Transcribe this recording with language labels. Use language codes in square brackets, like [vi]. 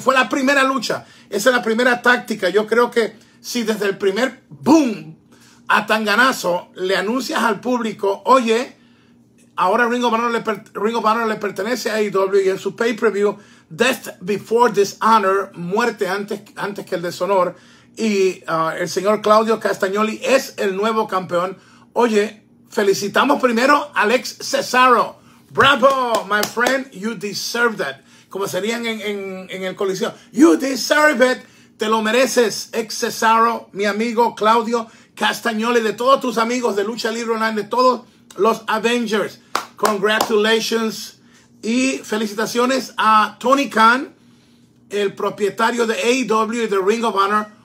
[es] Fue la primera lucha. Esa es la primera táctica. Yo creo que si desde el primer boom a tanganazo le anuncias al público, oye, ahora Ring of Honor le pertenece a AEW, y en su pay-per-view, Death Before Dishonor, muerte antes que el deshonor, y el señor Claudio Castagnoli es el nuevo campeón. Oye, felicitamos primero a Alex Cesaro. [en] Bravo, my friend, you deserve that. [es] Como serían en el coliseo. [en] You deserve it. [es] Te lo mereces, ex Cesaro, mi amigo Claudio Castagnoli, de todos tus amigos de Lucha Libre Online, de todos los Avengers. Congratulations. Y felicitaciones a Tony Khan, el propietario de AEW y de Ring of Honor.